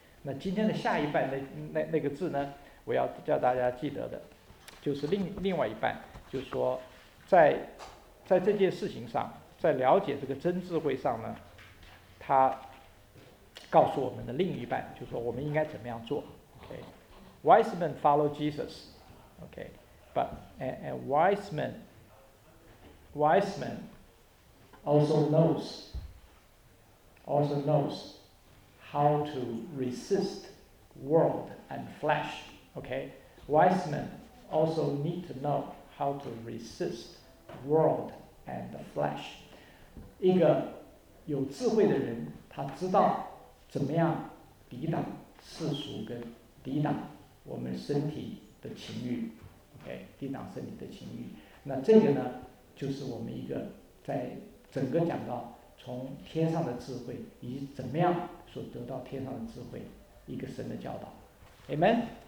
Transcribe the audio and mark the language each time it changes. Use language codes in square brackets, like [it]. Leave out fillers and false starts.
[zh] 那今天的下一半 那个字呢，我要叫大家记得的就是 另外一半，就是说 在这件事情上，在了解这个真智慧上呢，他告诉我们的另一半就是说我们应该怎么样做。 [en] OK， wise men follow Jesus， OK， but and wise men also knows how to resist world and flesh。 OK， wise men also need to know how to resist world and the flesh。 [zh] 一个有智慧的人他知道怎么样抵挡世俗，跟抵挡我们身体的情欲， OK， 抵挡身体的情欲。那这个呢就是我们一个在整个讲到从天上的智慧以及怎么样所得到天上的智慧一个神的教导。 Amen，